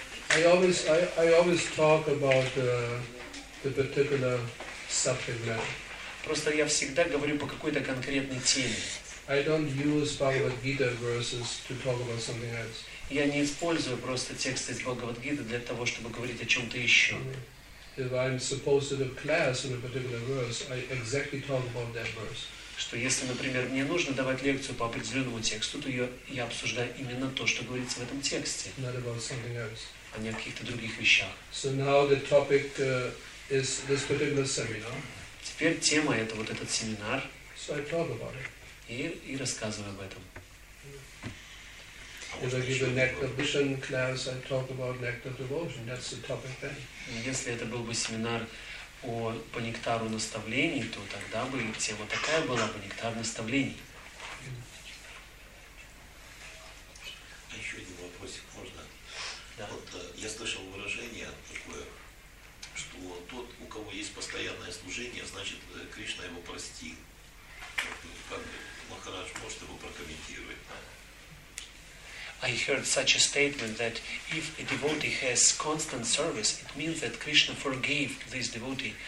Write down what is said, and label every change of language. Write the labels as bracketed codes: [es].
[en] I always talk about the particular subject matter. [ru] Просто я всегда говорю по какой-то конкретной теме. [en] I don't use Bhagavad Gita verses to talk about something else. [ru] Я не использую просто тексты из Бхагавад Гиты для того, чтобы говорить о чем-то еще. [en] If I'm supposed to do class on a particular verse, I exactly talk about that verse. [ru] Что если, например, мне нужно давать лекцию по определенному тексту, то я обсуждаю именно то, что говорится в этом тексте, [en] not about something else. [ru] А не о каких-то других вещах. [en] So now the topic is this particular seminar. [ru] Теперь тема — это вот этот семинар. [en] So I talk about it. [ru] И рассказываю об этом. [en] If I give a nectar vision class, I talk about nectar devotion. That's the topic then. [ru] Если это был бы семинар о по нектару наставлений, то тогда бы тема такая была бы нектар наставлений. А еще один вопросик можно? Да. Вот я слышал выражение такое, что тот, у кого есть постоянное служение, значит Кришна его простил. Как бы Махарадж может его прокомментировать? [en] I heard such a statement that if a devotee has constant service, it means that Krishna forgave this devotee.